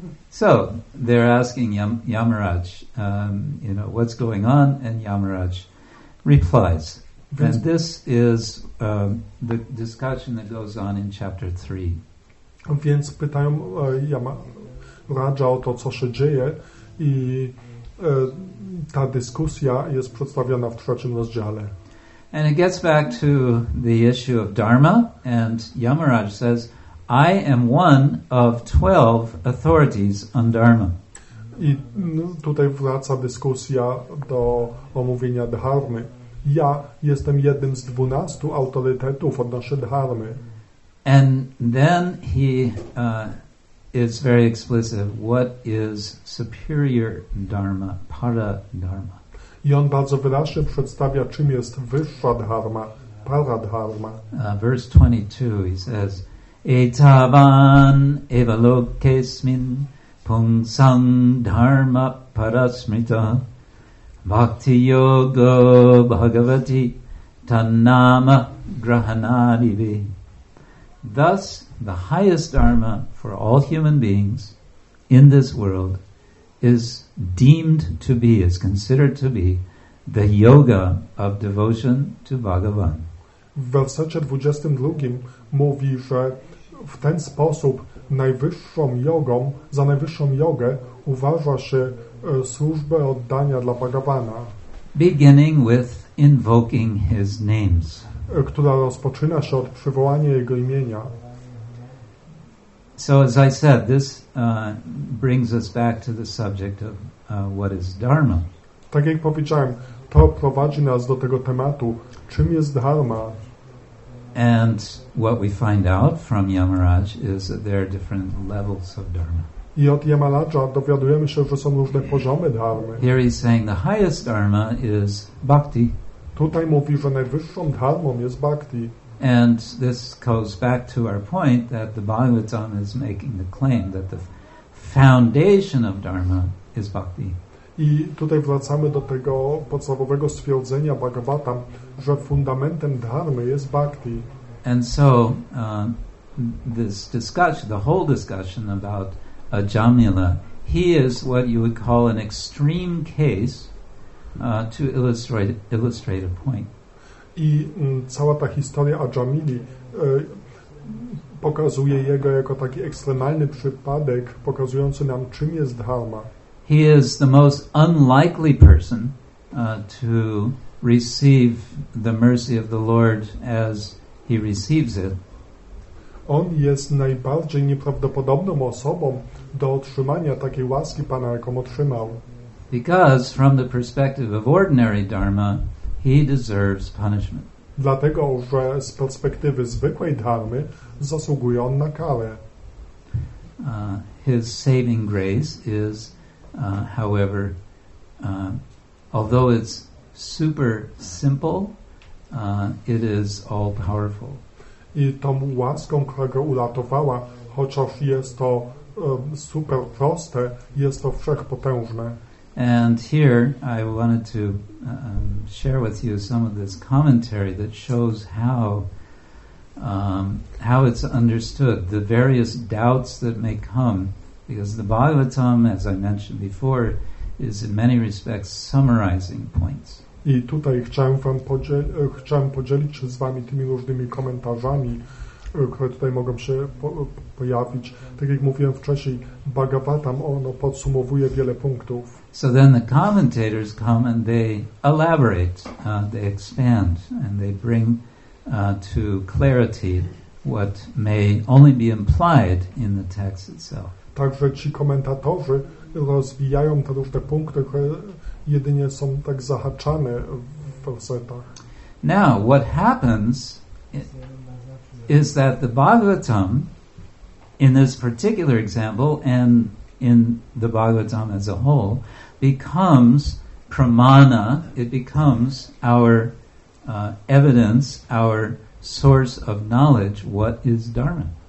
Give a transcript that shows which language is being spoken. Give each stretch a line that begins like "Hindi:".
English: So they're asking Yamaraj, you know, what's going on, and Yamaraj replies. Then this is the discussion that goes on in chapter 3.
Polish: Więc pytają Yamaraja o to, co się dzieje, i ta dyskusja jest przedstawiona w trzecim rozdziale.
English: And it gets back to the issue of dharma, and Yamaraj says, I am one of 12 authorities on dharma.
Polish: I tutaj wraca dyskusja do omówienia dharmy. Ja jestem jednym z 12 autorytetów odnośnie dharmy.
English: And then he is very explicit. What is superior dharma, para dharma?
Polish: I on bardzo wyraźnie przedstawia, czym jest wyższa dharma, para dharma.
English: Verse 22, he says,
Sanskrit: Etavan evalokesmin pungsang dharma parasmita bhakti yoga bhagavati tannama grahanadivi.
English: Thus, the highest dharma for all human beings in this world is deemed to be, is considered to be, the yoga of devotion to Bhagavan.
Polish: W wersecie 22 mówi, że w ten sposób najwyższą jogą, za najwyższą jogę uważa się służbę oddania dla Bhagavana.
English: Beginning with invoking his names.
Polish: Która rozpoczyna się od przywołania jego imienia.
English: So as I said, this brings us back to the subject of what is dharma.
Polish: Tak jak powiedziałem, to prowadzi nas do tego tematu, czym jest dharma.
English: And what we find out from Yamaraj is that there are different levels of dharma.
Polish: I od Yamaraja dowiadujemy się, że są różne poziomy dharmy.
English: Here he's saying the highest dharma is bhakti.
Polish: Tutaj mówi, że najwyższą dharmą jest bhakti.
English: And this goes back to our point that the Bhagavatam is making the claim that the foundation of dharma is bhakti.
Polish: I tutaj wracamy do tego podstawowego stwierdzenia Bhagavatam, że fundamentem dharmy jest bhakti.
English: And so this discussion, the whole discussion about Ajamila, he is what you would call an extreme case to illustrate a point.
Polish: I cała ta historia Ajamili pokazuje jego jako taki ekstremalny przypadek, pokazujący nam, czym jest dharma.
English: He is the most unlikely person to receive the mercy of the Lord as he receives it.
Polish: On jest najbardziej nieprawdopodobną osobą do otrzymania takiej łaski Pana, jaką otrzymał.
English: Because from the perspective of ordinary dharma, he deserves punishment.
Polish: Dlatego, że z perspektywy zwykłej dharmy zasługuje on na karę.
English: His saving grace is, however, although it's super simple, it is all powerful.
Polish: I tą łaską, która go uratowała, chociaż jest to super proste, jest to wszechpotężne.
English: And here I wanted to share with you some of this commentary that shows how how it's understood, the various doubts that may come, because the Bhagavatam, as I mentioned before, is in many respects summarizing points.
Polish: I tutaj chciałem podzielić się z wami tymi różnymi komentarzami, które tutaj mogą się pojawić. Tak jak mówiłem wcześniej, Bhagavatam, ono podsumowuje wiele punktów.
English: So then the commentators come and they elaborate, they expand, and they bring to clarity what may only be implied in the text itself.
Polish: Także ci komentatorzy rozwijają te różne punkty, które jedynie są tak zahaczane w wersetach.
English: Now, what happens is that the Bhagavatam, in this particular example, and in the Bhagavatam as a whole, becomes pramana, it becomes our evidence, our source of knowledge, what is Dharma.